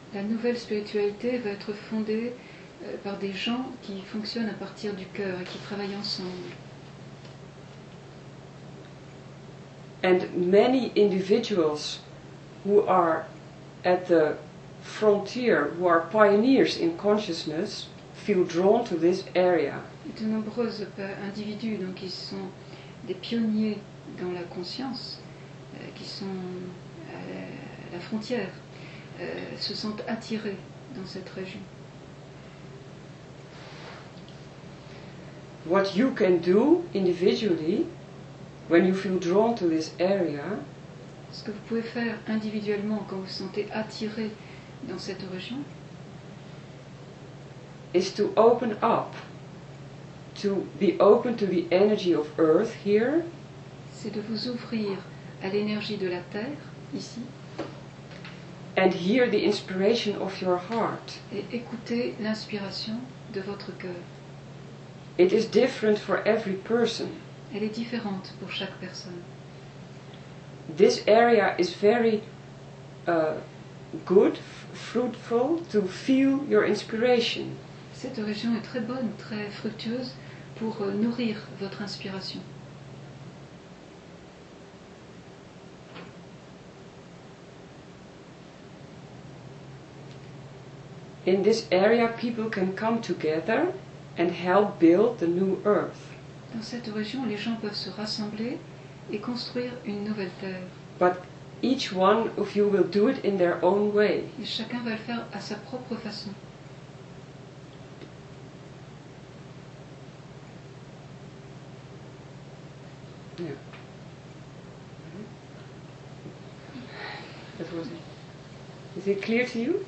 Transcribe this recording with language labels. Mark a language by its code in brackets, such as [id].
[fr] La nouvelle spiritualité va être fondée par des gens qui fonctionnent à partir du cœur et qui travaillent ensemble. [en] And many individuals who are at the frontier, who are pioneers in consciousness, feel drawn to this area. [fr] De nombreux individus, donc ils sont des pionniers dans la conscience, qui sont à la frontière, se sentent attirés dans cette région. [en] What you can do individually when you feel drawn to this area, [fr] ce que vous pouvez faire individuellement quand vous vous sentez attiré dans cette région, [en] is to open up, to be open to the energy of earth here, [fr] c'est de vous ouvrir à l'énergie de la terre ici, [en] and hear the inspiration of your heart, [fr] et écouter l'inspiration de votre cœur. [en] It is different for every person. [fr] Elle est différente pour chaque personne. [en] This area is very good, fruitful to feel your inspiration. [fr] Cette région est très bonne, très fructueuse pour nourrir votre inspiration. [en] In this area, people can come together and help build the new earth. [fr] Dans cette région, les gens peuvent se rassembler et construire une nouvelle terre. [en] But each one of you will do it in their own way. [fr] Et chacun va le faire à sa propre façon. [en] Yeah. That was it. Is it clear to you?